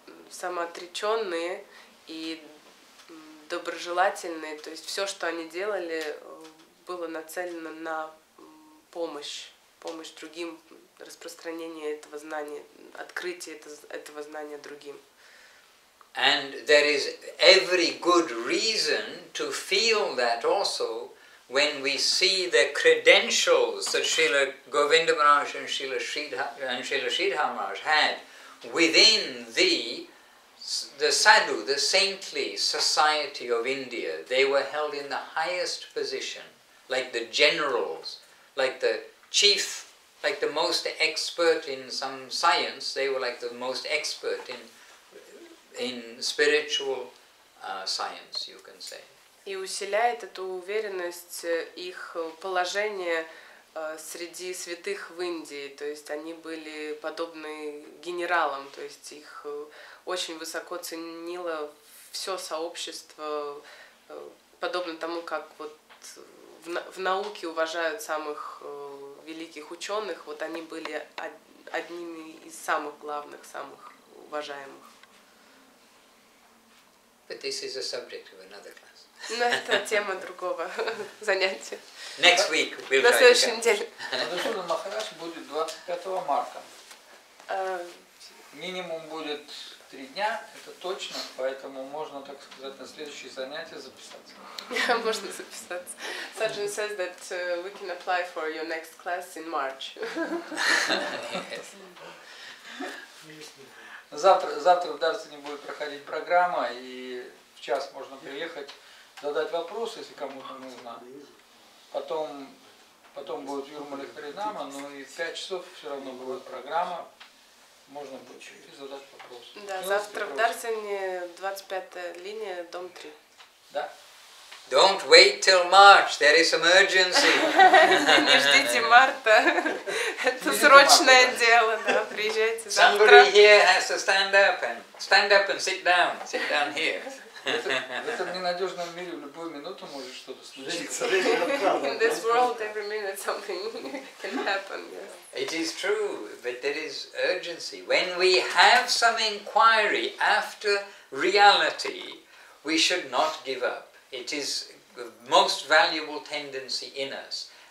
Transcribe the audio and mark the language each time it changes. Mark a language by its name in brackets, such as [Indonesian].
[Russian] самоотреченные и доброжелательные, то есть все, что они делали, было нацелено на помощь другим, распространение этого знания, открытие этого знания другим. [English] And there is every good reason to feel that also when we see the credentials that Srila Govinda Maharaj and Srila Sridhar Maharaj had within the sadhu, the saintly society of India. They were held in the highest position, like the generals, like the chief, like the most expert in some science. They were like the most expert in spiritual science, you can say. [Russian] И усиляет эту уверенность их положение среди святых в Индии, то есть они были подобны генералам, то есть их очень высоко ценило все сообщество, подобно тому, как вот в науке уважают самых великих ученых, вот они были одними из самых главных, самых уважаемых. [English] But this is a subject of another class. [Russian] Но это тема другого занятия. [English] Next week we'll [Russian] На следующей неделе. Мадхусудан Махарадж будет 25 марта. Минимум будет 3 дня, это точно, поэтому можно, так сказать, на следующее занятие записаться. Можно записаться. [English] Саджан says that we can apply for your next class in March. Yes. [Russian] Завтра в Дарсене будет проходить программа, и в час можно приехать, задать вопрос, если кому-то нужно. Потом будет Юрмали Харинама, но и в 5 часов все равно будет программа. Можно будет чуть-чуть задать вопрос. Да, ну, завтра в Дарсене 25-я линия, дом 3. Да? [English] Don't wait till March, there is emergency. [Russian] Не ждите марта, это срочное дело, да, приезжайте завтра. [English] Somebody here has to stand up and sit down here. [Russian] В этом ненадежном мире в любую минуту может что-то случиться. [English] In this world every minute something can happen, yes. It is true, but there is urgency. When we have some inquiry after reality, we should not give up. It is the most valuable tendency in us.